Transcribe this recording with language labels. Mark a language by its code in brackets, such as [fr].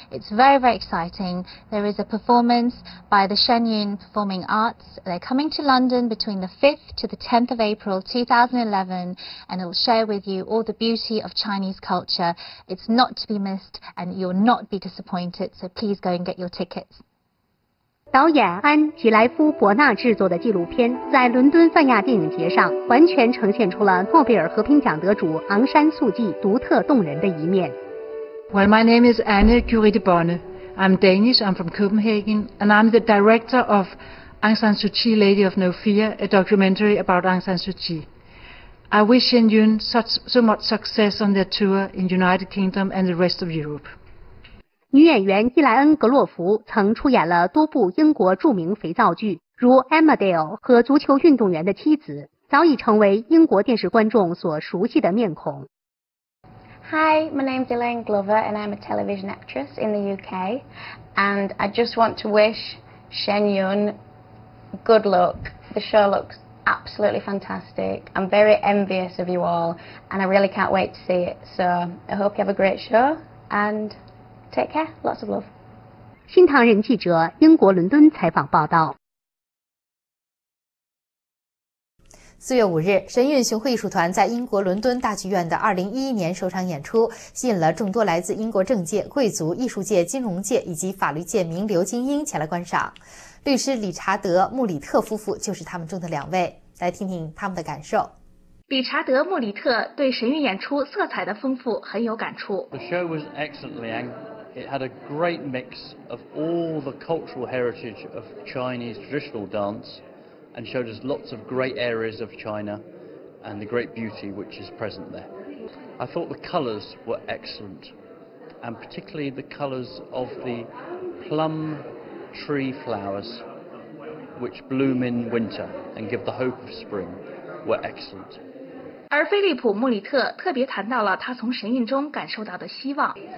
[en] It's very, very exciting. There is a performance by the Shen Yun Performing Arts. They're coming to London between the 5th to the 10th of April 2011, and it'll share with you all the beauty of Chinese culture. It's not to be missed, and you'll not be disappointed. So please go and get your ticket. [zh] 导演安吉莱夫·伯纳制作的纪录片在伦敦泛亚电影节上完全呈现出了诺贝尔和平奖得主昂山素季独特动人的一面。 [en] Well, my name is Anne Curie de Bonne. I'm Danish, I'm from Copenhagen, and I'm the director of Aung San Suu Kyi, Lady of No Fear, a documentary about Aung San Suu Kyi. I wish Shen Yun so much success on their tour in United Kingdom and the rest of Europe. [zh] 女演员伊莱恩·格洛弗曾出演了多部英国著名肥皂剧，如《Emma Dale》和《足球运动员的妻子》，早已成为英国电视观众所熟悉的面孔。 [en] Hi, my name is Elaine Glover, and I'm a television actress in the UK. And I just want to wish Shen Yun good luck. The show looks absolutely fantastic. I'm very envious of you all, and I really can't wait to see it. So I hope you have a great show and...Take care. Lots of love. [zh] 新唐人记者英国伦敦采访报道。 4月5日，神韵巡回艺术团在英国伦敦大剧院的2011年首场演出，吸引了众多来自英国政界、贵族、艺术界、金融界以及法律界名流精英前来观赏。律师理查德·穆里特夫妇就是他们中的两位，来听听他们的感受。理查德·穆里特对神韵演出色彩的丰富很有感触。 [en] The show was excellently angled. It had a great mix of all the cultural heritage of Chinese traditional dance. And showed us lots of great areas of China and the great beauty which is present there. I thought the colours were excellent, and particularly the colours of the plum tree flowers which bloom in winter and give the hope of spring were excellent. [zh] 而菲利普·穆里特特别谈到了他从神韵中感受到的希望。